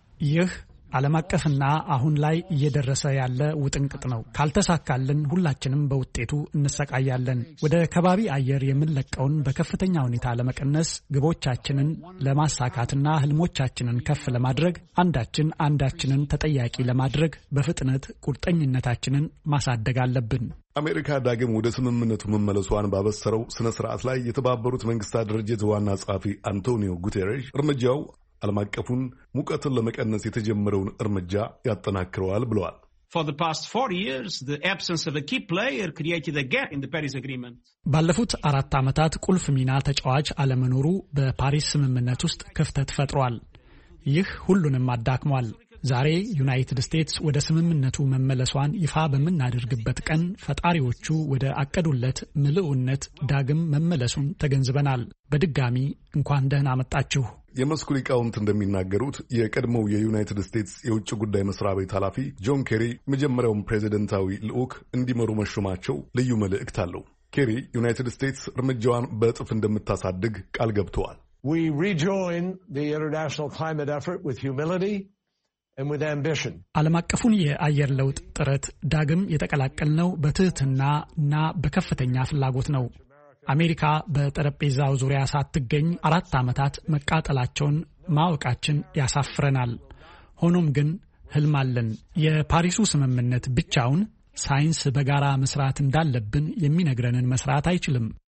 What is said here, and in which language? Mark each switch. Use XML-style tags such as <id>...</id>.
<am>ይህ ዓለም አቀፍና አሁን ላይ እየደረሰ ያለ ውጥንቅጥ ነው። ካልተሳካልን ሁላችንም በውጤቱ እንሰቃያለን። ወደ ከባቢ አየር የምንለቀውን በከፍተኛ ሁኔታ ለመቀነስ፣ ግቦቻችንን ለማሳካትና ህልሞቻችንን ከፍ ለማድረግ፣ አንዳችን አንዳችንን ተጠያቂ ለማድረግ በፍጥነት ቁርጠኝነታችንን ማሳደግ አለብን። አሜሪካ ዳግም ወደ ስምምነቱ መመለሷን ባበሰረው ስነ ስርዓት ላይ የተባበሩት መንግስታት ድርጅት ዋና ጸሐፊ አንቶኒዮ ጉቴሬሽ እርምጃው ዓለም አቀፉን ሙቀትን ለመቀነስ የተጀመረውን እርምጃ ያጠናክረዋል ብለዋል።</am> <en>For the past 4 years, the absence of a key player created a gap in the Paris Agreement.</en> <am>ባለፉት 4 ዓመታት ቁልፍ ሚና ተጫዋች አለመኖሩ በፓሪስ ስምምነት ውስጥ ክፍተት ፈጥሯል። ይህ ሁሉንም አዳክሟል። ዛሬ ዩናይትድ ስቴትስ ወደ ስምምነቱ መመለሷን ይፋ በመናደርግበት ቀን ፈጣሪዎቹ ወደ አቀዱለት ምልዕነት ዳግም መመለሱን ተገንዝበናል። በድጋሚ እንኳን ደህና መጣችሁ። የመስኩ ሊቃውንት እንደሚናገሩት የቀድሞው የዩናይትድ ስቴትስ የውጭ ጉዳይ መስሪያ ቤት ኃላፊ ጆን ኬሪ መጀመሪያውን ፕሬዚደንታዊ ልዑክ እንዲመሩ መሾማቸው ልዩ መልእክት አለው። ኬሪ ዩናይትድ ስቴትስ እርምጃዋን በእጥፍ እንደምታሳድግ ቃል ገብተዋል።</am> <en>We rejoin the international climate effort with humility and with ambition.</en> <am>ዓለም አቀፉን የአየር ለውጥ ጥረት ዳግም የተቀላቀልነው በትህትናና በከፍተኛ ፍላጎት ነው። አሜሪካ በጠረጴዛው ዙሪያ ሳትገኝ 4 ዓመታት መቃጠላቸውን ማወቃችን ያሳፍረናል። ሆኖም ግን ህልም አለን። የፓሪሱ ስምምነት ብቻውን ሳይንስ በጋራ መስራት እንዳለብን የሚነግረንን መስራት አይችልም።</am>